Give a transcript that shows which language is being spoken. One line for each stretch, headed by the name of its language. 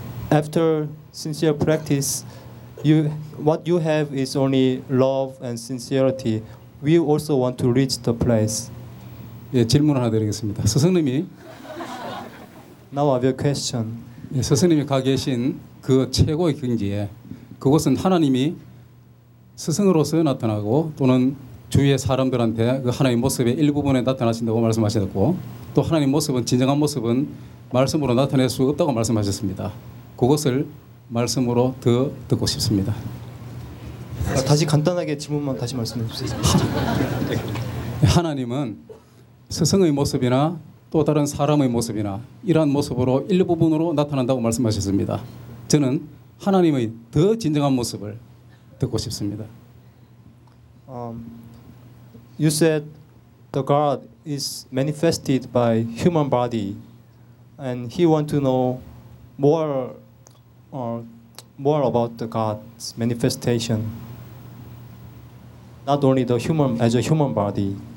English: After sincere practice, what you have is only love and sincerity. We also want to reach the place.
Korean: 예, 질문 하나 드리겠습니다. 스승님이 Now I have a question. 예, 스승님이 가 계신 그 최고의 경지에 그곳은 하나님이 스승으로서 나타나고 또는 주위의 사람들한테 그 하나님 모습의 일부분에 나타나신다고 말씀하셨고 또 하나님 모습은 진정한 모습은 말씀으로 나타낼 수 없다고 말씀하셨습니다. 그것을 말씀으로 더 듣고 싶습니다. 다시 간단하게 질문만 다시 말씀해 주세요. 하나님은 스승의 모습이나 또 다른 사람의 모습이나 이러한 모습으로 일부분으로 나타난다고 말씀하셨습니다. 저는 하나님의 더 진정한 모습을 듣고 싶습니다.
English: You said the God is manifested by human body and he wants to know more about the God's manifestation. Not only the human, as a human body.